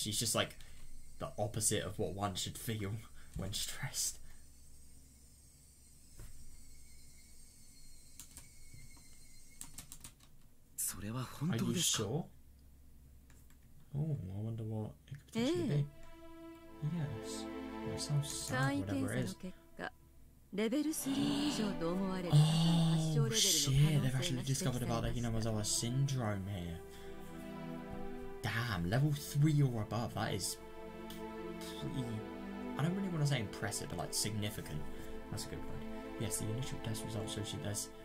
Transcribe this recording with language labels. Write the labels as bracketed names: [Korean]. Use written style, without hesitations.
[English] She's just like the opposite of what one should feel when stressed. [Japanese] それは本当ですか? [English] Are you sure? Oh, I wonder what it could potentially be. Yes. There's some sign, whatever it is. [Japanese] 結果、レベル3以上と思われる。 [English] Oh, shit, they've actually discovered about the Hinamazawa syndrome here. Damn, level 3 or above, that is pretty... I don't really want to say impressive, but like significant. That's a good word. Yes, the initial test results show she does...